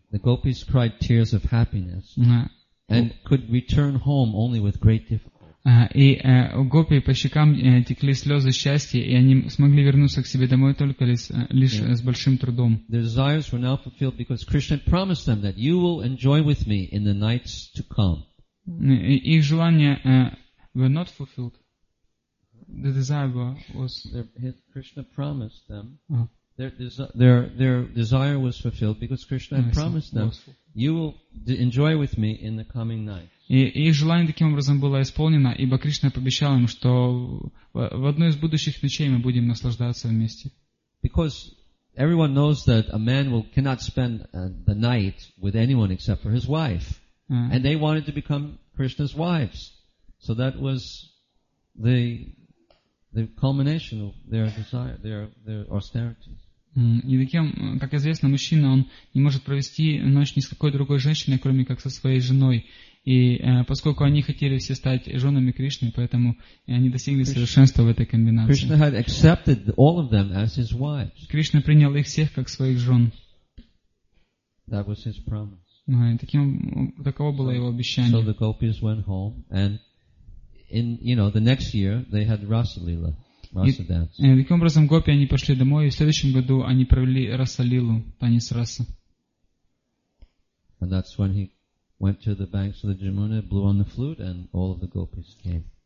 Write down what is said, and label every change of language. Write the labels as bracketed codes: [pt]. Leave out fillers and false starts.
[en] The gopis cried tears of happiness and could return home only with great difficulty. [ru] И у гопи по щекам текли слезы счастья, и они смогли вернуться к себе домой только лишь с большим трудом. [en] Their desires were now fulfilled because Krishna promised them that you will enjoy with me in the nights to come. [ru] Их желания [en] were not fulfilled. The desire was. Krishna promised them. Their desire was fulfilled because Krishna had promised them, "You will enjoy with me in the coming night." [ru] И их желание таким образом было исполнено, ибо Кришна пообещал им, что в одной из будущих ночей мы будем наслаждаться вместе. [en] Because everyone knows that a man cannot spend the night with anyone except for his wife, and they wanted to become Krishna's wives, so that was the culmination of their desire, their austerity. [ru] И таким, как известно, мужчина, он не может провести ночь ни с какой другой женщиной, кроме как со своей женой. И поскольку они хотели все стать женами Кришны, поэтому они достигли совершенства в этой комбинации. [en] Krishna had accepted all of them as his wives. [ru] Кришна принял их всех как своих жен. [en] That was his promise. [ru] Таково было его обещание. [en] So the gopis went home, and in, you know, the next year they had Rasa Lila. [ru] И таким образом гопи они пошли домой, и в следующем году они провели Расалилу, танец Раса. [en] And that's when he went to the banks of the Jamuna, blew on the flute, and all of the gopis came.